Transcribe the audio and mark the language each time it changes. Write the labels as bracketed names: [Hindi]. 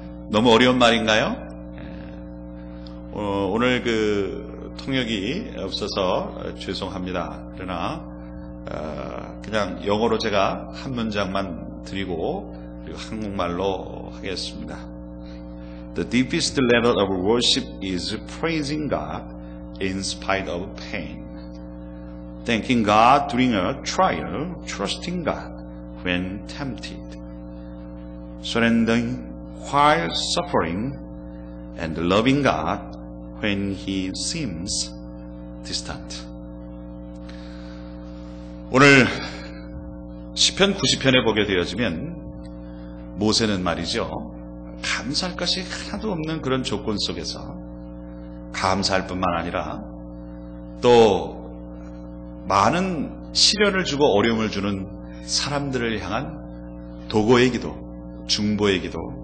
[Korean] 너무 어려운 말인가요? 오늘 그 통역이 없어서 죄송합니다. 그러나 그냥 영어로 제가 한 문장만 드리고 그리고 한국말로 하겠습니다. [English] The deepest level of worship is praising God in spite of pain. Thanking God during a trial, trusting God when tempted. Surrendering while suffering and loving God when he seems distant. [Korean] 오늘 시편 90편에 보게 되어지면 모세는 말이죠. 감사할 것이 하나도 없는 그런 조건 속에서 감사할 뿐만 아니라 또 많은 시련을 주고 어려움을 주는 사람들을 향한 도고의 기도, 중보의 기도,